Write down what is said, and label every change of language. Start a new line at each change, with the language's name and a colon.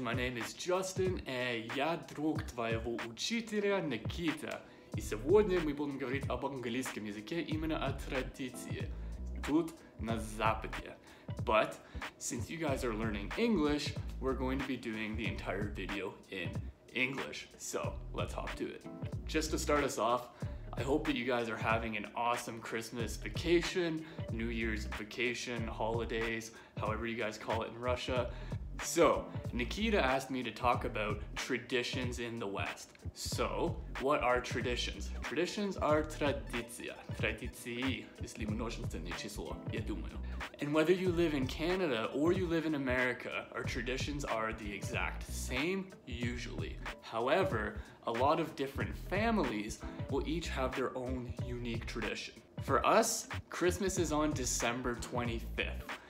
English: My name is
Russian: Джастин, и я друг твоего учителя Никита. И сегодня мы будем говорить об английском языке, именно о традиции тут на Западе.
English: But since you guys are learning English, we're going to be doing the entire video in English. So let's hop to it. Just to start us off, I hope that you guys are having an awesome Christmas vacation, New Year's vacation, holidays, however you guys call it in Russia. So, Nikita asked me to talk about traditions in the West. So, what are traditions? Traditions are традиция.
Russian: Традиции, если множественное число, я думаю.
English: And whether you live in Canada or you live in America, our traditions are the exact same, usually. However, a lot of different families will each have their own unique tradition. For us, Christmas is on December 25th.